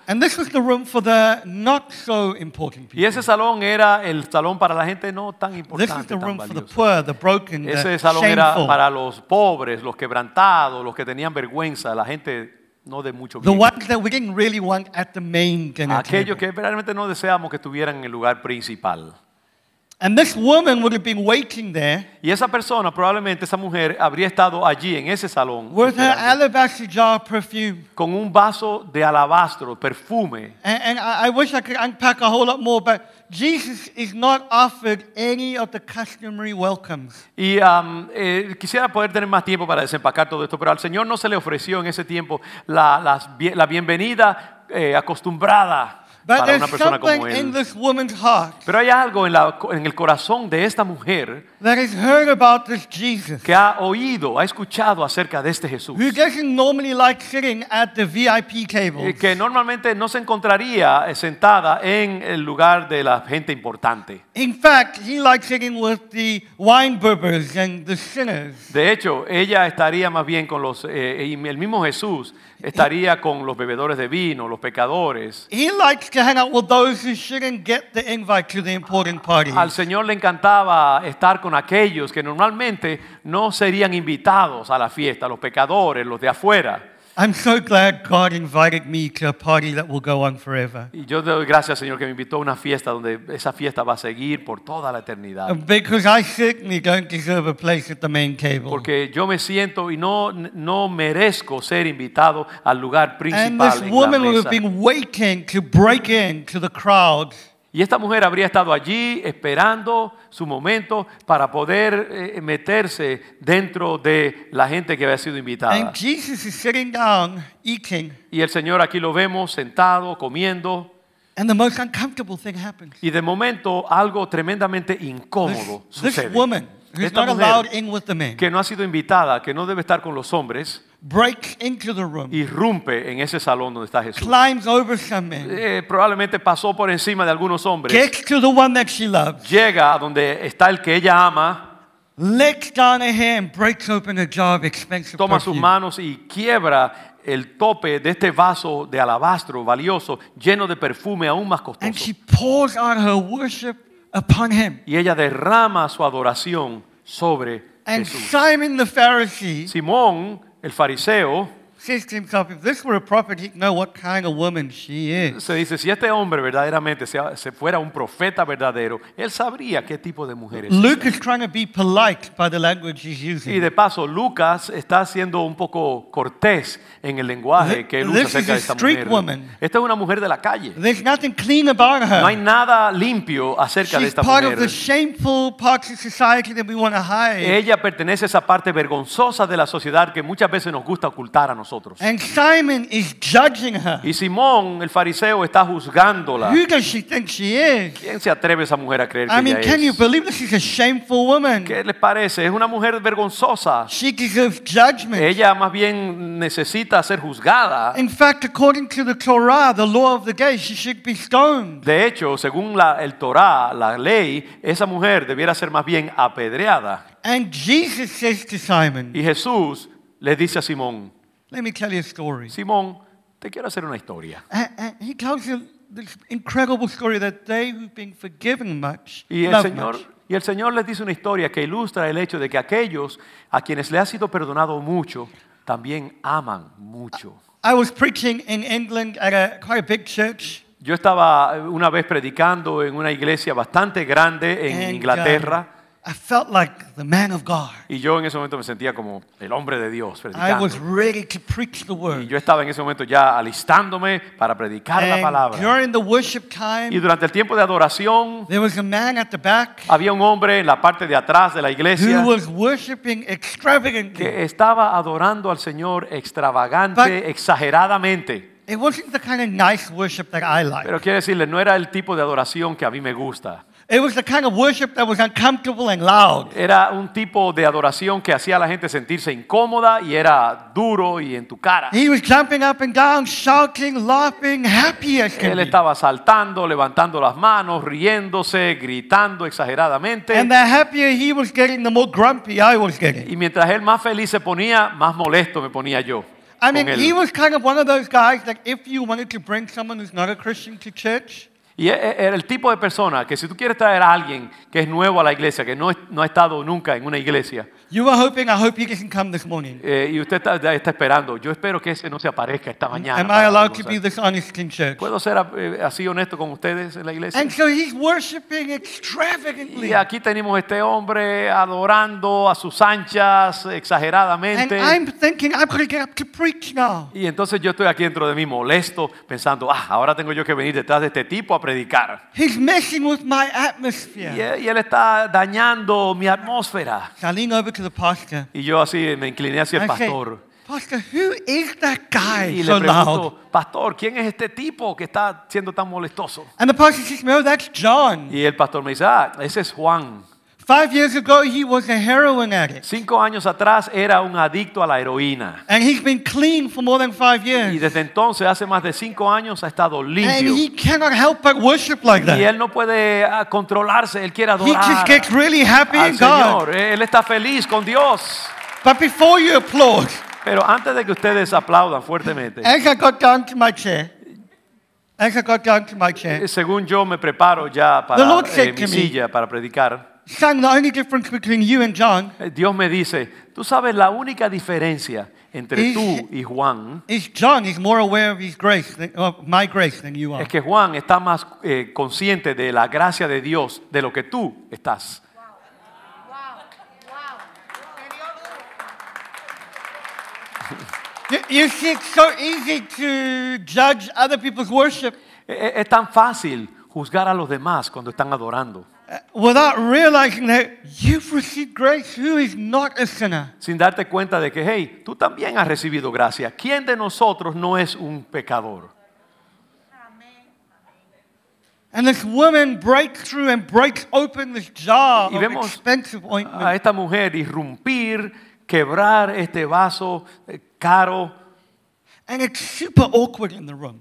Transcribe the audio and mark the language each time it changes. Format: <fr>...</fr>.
<en>And this was the room for the not so important people.</en> <es>Y ese salón era el salón para la gente no tan importante.</es> <en>This was the room for the poor, the broken, the shameful.</en> <es>Ese salón era para los pobres, los quebrantados, los que tenían vergüenza, la gente. No de mucho</es> <en>the ones that we didn't really want at the main dinner table.</en> <es>Aquellos que realmente no deseamos que estuvieran en el lugar principal.</es> <en>And this woman would have been waiting there.</en> <es>Y esa persona, probablemente esa mujer, habría estado allí en ese salón.</es> <en>With her alabaster jar perfume.</en> <es>Con un vaso de alabastro, perfume.</es> <en>And I wish I could unpack a whole lot more, but Jesus is not offered any of the customary welcomes.</en> <es>Y quisiera poder tener más tiempo para desempacar todo esto, pero al Señor no se le ofreció en ese tiempo la bienvenida acostumbrada.</es> <en>But</en> <es>para una persona</es> <en>something</en> <es>como él.</es> <en>In this woman's heart.</en> <es>Pero hay algo en el corazón de esta mujer.</es> <en>That has heard about this Jesus.</en> <es>Que ha oído, ha escuchado acerca de este Jesús.</es> <en>Who doesn't normally like sitting at the VIP tables.</en> <es>Y que normalmente no se encontraría sentada en el lugar de la gente importante.</es> <en>In fact, he likes sitting with the winebibbers and the sinners.</en> <es>De hecho, ella estaría más bien con los el mismo Jesús estaría con los bebedores de vino, los pecadores.</es> <en>He likes to hang out with those who shouldn't get the invite to the important parties.</en> <es>Al Señor le encantaba estar con aquellos que normalmente no serían invitados a la fiesta, los pecadores, los de afuera.</es> <en>I'm so glad God invited me to a party that will go on forever.</en> <es>Y yo doy gracias, Señor, que me invitó a una fiesta donde esa fiesta va a seguir por toda la eternidad.</es> <en>Because I certainly don't deserve a place at the main table.</en> <es>Porque yo me siento y no merezco ser invitado al lugar principal.</es> <en>And this woman would have been waiting to break in to the crowd.</en> <es>Y esta mujer habría estado allí esperando su momento para poder meterse dentro de la gente que había sido invitada.</es> <en>And Jesus is sitting down, eating.</en> <es>Y el Señor aquí lo vemos sentado, comiendo.</es> <en>And the most uncomfortable thing happens.</en> <es>Y de momento algo tremendamente incómodo</es> <en>this</en> <es>sucede.</es> <en>This woman, who's</en> <es>esta</es> <en>not allowed in with the men,</en> <es>que no ha sido invitada, que no debe estar con los hombres,</es> <en>break into the room.</en> <es>Irrumpe en ese salón donde está Jesús.</es> <en>Climbs over some men.</en> <es>Probablemente pasó por encima de algunos hombres.</es> <en>Gets to the one that she loves.</en> <es>Llega a donde está el que ella ama.</es> <en>Licks down her hair and breaks open a jar of expensive</en> <es>toma</es> <en>perfume.</en> <es>Sus manos y quiebra el tope de este vaso de alabastro valioso, lleno de perfume aún más costoso.</es> <en>And she pours out her worship upon him.</en> <es>Y ella derrama su adoración sobre</es> <en>and</en> <es>Jesús.</es> <en>And Simon the Pharisee.</en> <es>Simón el fariseo</es> <en>says to himself, if this were a prophet, he'd know what kind of woman she is.</en> <es>Se dice, si este hombre verdaderamente se fuera un profeta verdadero, él sabría qué tipo de mujer es.</es> <en>Luke is trying to be polite by the language he's using.</en> <es>Y de paso, Lucas está siendo un poco cortés en el lenguaje que él usa acerca de esta mujer.</es> <en>This is a street woman.</en> <es>Esta es una mujer de la calle.</es> <en>There's nothing clean about her.</en> <es>No hay nada limpio acerca</es> <en>she's</en> <es>de esta</es> <en>part</en> <es>mujer.</es> <en>Of the shameful parts of society that we want to hide.</en> <es>Ella pertenece a esa parte vergonzosa de la sociedad que muchas veces nos gusta ocultar a nosotros.</es> <en>And Simon is judging her.</en> <es>Y Simón, el fariseo, está juzgándola.</es> <en>Who does she think she is?</en> <es>¿Quién se atreve esa mujer a creer que ella es?</es> <en>I mean, can you believe that she's a shameful woman?</en> <es>¿Qué les parece? Es una mujer vergonzosa.</es> <en>She deserves judgment.</en> <es>Ella más bien necesita ser juzgada.</es> <en>In fact, according to the Torah, the law of the gay, she should be stoned.</en> <es>De hecho, según el Torah, la ley, esa mujer debiera ser más bien apedreada.</es> <en>And Jesus says to Simon.</en> <es>Y Jesús le dice a Simón.</es> <en>Let me tell you a story.</en> <es>Simón, te quiero hacer una historia.</es> <en>He tells you this incredible story that they who've been forgiven much.</en> <es>Y el Señor</es> <en>much.</en> <es>Y el Señor les dice una historia que ilustra el hecho de que aquellos a quienes le ha sido perdonado mucho también aman mucho.</es> <en>I was preaching in England at a quite a big church.</en> <es>Yo estaba una vez predicando en una iglesia bastante grande en Inglaterra.</es> <en>I felt like the man of God.</en> <es>Y yo en ese momento me sentía como el hombre de Dios predicando.</es> <en>I was ready to preach the word.</en> <es>Y yo estaba en ese momento ya alistándome para predicar</es> <en>and</en> <es>la palabra.</es> <en>During the worship time,</en> <es>y durante el tiempo de adoración,</es> <en>there was a man at the back,</en> <es>había un hombre en la parte de atrás de la iglesia,</es> <en>who was worshiping extravagantly,</en> <es>que estaba adorando al Señor extravagante,</es> <en>but</en> <es>exageradamente.</es> <en>It wasn't the kind of nice worship that I like.</en> <es>Pero quiero decirle, no era el tipo de adoración que a mí me gusta.</es> <en>It was the kind of worship that was uncomfortable and loud.</en> <es>Era un tipo de adoración que hacía a la gente sentirse incómoda y era duro y en tu cara.</es> <en>He was jumping up and down, shouting, laughing, happy as could be.</en> <es>Él estaba saltando, levantando las manos, riéndose, gritando exageradamente.</es> <en>And the happier he was getting, the more grumpy I was getting.</en> <es>Y mientras él más feliz se ponía, más molesto me ponía yo.</es> <en>I mean, he was kind of one of those guys that if you wanted to bring someone who's not a Christian to church.</en> <es>Y era el tipo de persona que si tú quieres traer a alguien que es nuevo a la iglesia, que no ha estado nunca en una iglesia.</es> <en>You were hoping, I hope he doesn't come this morning.</en> <es>Y usted está esperando. Yo espero que ese no se aparezca esta mañana.</es> <en>Am I allowed to be this honest in church?</en> <es>¿Puedo ser así honesto con ustedes en la iglesia?</es> <en>And so he's worshiping extravagantly.</en> <es>Y aquí tenemos este hombre adorando a sus anchas exageradamente.</es> <en>And I'm thinking, I'm going to get up to preach now.</en> <es>Y entonces yo estoy aquí dentro de mí molesto, pensando, ahora tengo yo que venir detrás de este tipo a predicar.</es> <en>He's messing with my atmosphere.</en> <es>Y él está dañando mi atmósfera. Saliendo</es> <en>to the pastor.</en> <es>Y yo así me incliné hacia el pastor.</es> <en>Pastor, who is that guy so loud?</en> <es>Pastor, ¿quién es este tipo que está siendo tan molestoso?</es> <en>And the pastor says, "No, that's John."</en> <es>Y el pastor me dice, ese es Juan.</es> <en>5 years ago, he was a heroin addict.</en> <es>5 años atrás era un adicto a la heroína.</es> <en>And he's been clean for more than 5 years.</en> <es>Y desde entonces, hace más de 5 años, ha estado limpio.</es> <en>And he cannot help but worship like that.</en> <es>Y él no puede controlarse. Él quiere adorar.</es> <en>He just gets really happy in</en> <es>Señor.</es> <en>God.</en> <es>Él está feliz con Dios.</es> <en>But before you applaud.</en> <es>Pero antes de que ustedes aplaudan fuertemente.</es> <en>As I got down to my chair. As I got down to my chair.</en> <es>Según yo me preparo ya para mi silla para predicar.</es> <en>Son, the only difference between you and John,</en> <es>Dios me dice, tú sabes la única diferencia entre tú y Juan.</es> <en>Is John is more aware of his grace, of my grace, than you are.</en> <es>Es que Juan está más consciente de la gracia de Dios de lo que tú estás.</es> <en>You see, it's so easy to judge other people's worship.</en> <es>Es tan fácil juzgar a los demás cuando están adorando.</es> <en>Without realizing that you've received grace, who is not a sinner?</en> <es>Sin darte cuenta de que, hey, tú también has recibido gracia. ¿Quién de nosotros no es un pecador?</es> <en>And this woman breaks through and breaks open this jar of expensive ointment.</en> <es>A esta mujer irrumpir, quebrar este vaso caro.</es> <en>And it's super awkward in the room.</en>